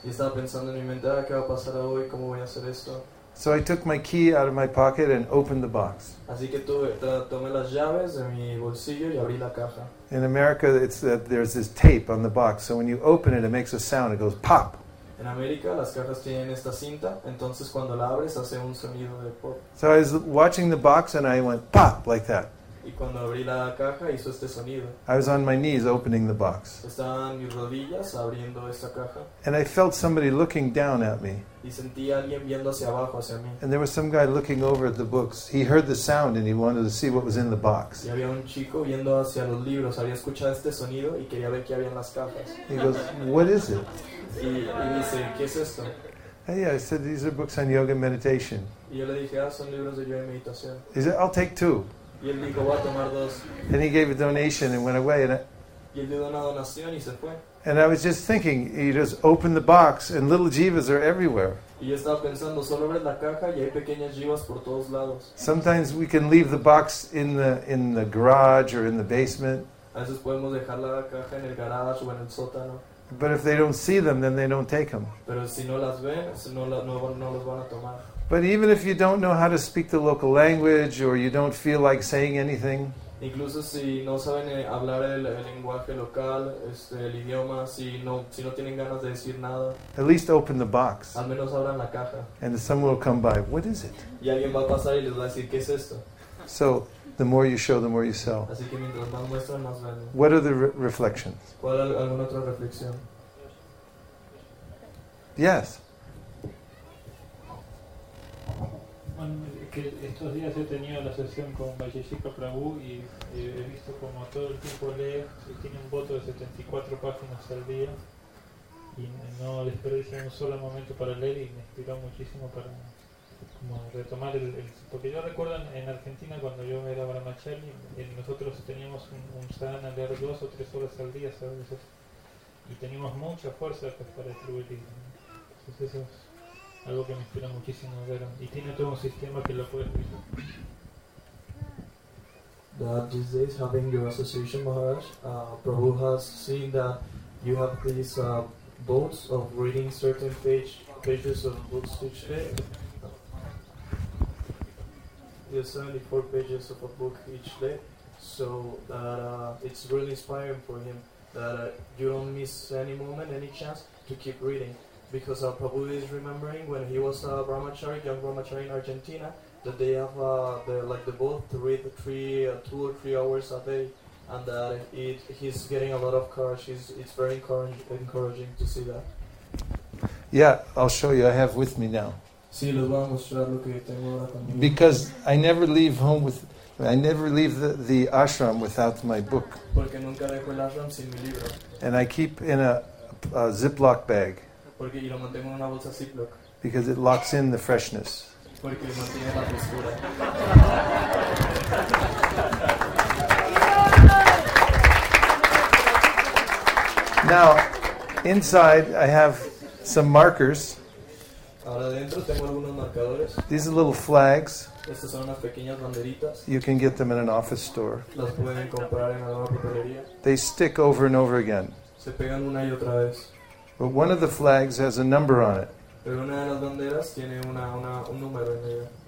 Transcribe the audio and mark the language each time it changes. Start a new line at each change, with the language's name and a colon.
Spanish: Y estaba pensando en mi mente, ¿qué va a pasar hoy? ¿Cómo voy a hacer esto?
English: So I took my key out of my pocket and opened the box.
Spanish: Así que tomé las llaves de mi bolsillo y abrí la caja.
English: In America, it's that there's this tape on the box, so when you open it, it makes a sound. It goes pop.
Spanish: En América las cajas tienen esta cinta, entonces cuando la abres hace un sonido de pop.
English: So I was watching the box and I went pop like that.
Spanish: Y cuando abrí la caja hizo este sonido.
English: I was on my knees opening the box.
Spanish: Estaba en mis rodillas abriendo esta caja.
English: And I felt somebody looking down at me.
Spanish: Y sentí a alguien viendo hacia abajo hacia mí.
English: And there was some guy looking over at the books. He heard the sound and he wanted to see what was in the box.
Spanish: Y había un chico viendo hacia los libros, había escuchado este sonido y quería ver qué había en las cajas.
English: He goes, "What is it?"
Spanish: Y dice, ¿qué es esto?
English: Hey, I said, these are books on yoga and meditation.
Spanish: Y yo le dije, son libros de yoga y meditación.
English: He said, I'll take two.
Spanish: Y él dijo, voy a tomar dos.
English: And he gave a donation and went away. And
Spanish: y él dio una donación y se fue.
English: And I was just thinking, he just opened the box and little jivas are everywhere.
Spanish: Y yo estaba pensando, solo abres la caja y hay pequeñas jivas por todos lados.
English: Sometimes we can leave the box in the garage or in the basement.
Spanish: A veces podemos dejar la caja en el garage o en el sótano.
English: But if they don't see them, then they don't take them.
Spanish: Pero si no las ven, no los van a tomar.
English: But even if you don't know how to speak the local language or you don't feel like saying anything,
Spanish: incluso si no saben hablar el lenguaje local, el idioma, si no tienen ganas de decir nada,
English: at least open the box.
Spanish: Al menos abran la caja.
English: And someone will come by. What is it?
Spanish: Y alguien va a pasar y les va a decir, ¿qué es esto?
English: So, the more you show, the more you sell.
Spanish: Así que mientras más muestran, más venden.
English: What are the reflections?
Spanish: ¿Cuál alguna otra reflexión?
English: Yes.
Spanish: Que estos días he tenido la sesión con Vaisheshika Prabhu y he visto como todo el tiempo lee y tiene un voto de 74 páginas al día y no desperdicia un solo momento para leer y me inspiró muchísimo para como retomar el porque yo recuerdo en Argentina cuando yo era brahmachari nosotros teníamos un sadhana leer 2 o 3 horas al día, ¿sabes? Y teníamos mucha fuerza pues, para distribuir y, entonces eso es algo que me inspira muchísimo, ¿verdad? Y tiene todo un sistema que lo puede utilizar.
English: That these days, having your association, Maharaj, Prabhu has seen that you have these boats of reading certain pages of books each day. Yes, 74 pages of a book each day. So that it's really inspiring for him that you don't miss any moment, any chance to keep reading. Because Prabhu is remembering when he was a brahmachari, young brahmachari in Argentina, that they have the boat to read two or three hours a day, and that he's getting a lot of courage. It's very encouraging to see that. Yeah, I'll show you. I have with me now.
Spanish: Sí, les voy a mostrar lo que tengo ahora conmigo.
English: Because I never leave home with, I never leave the ashram without my book.
Spanish: Porque nunca dejo el ashram sin mi libro.
English: And I keep in a Ziploc bag.
Spanish: Porque y lo mantengo en una bolsa Ziploc.
English: Because it locks in the freshness.
Spanish: Porque mantiene la frescura.
English: Now, inside I have some markers.
Spanish: Ahora dentro tengo algunos marcadores.
English: These are little flags.
Spanish: Estas son unas pequeñas banderitas.
English: You can get them in an office store.
Spanish: Las pueden comprar en alguna papelería.
English: They stick over and over again.
Spanish: Se pegan una y otra vez.
English: But one of the flags has a number on it.
Spanish: Pero una de las banderas tiene un número en ella.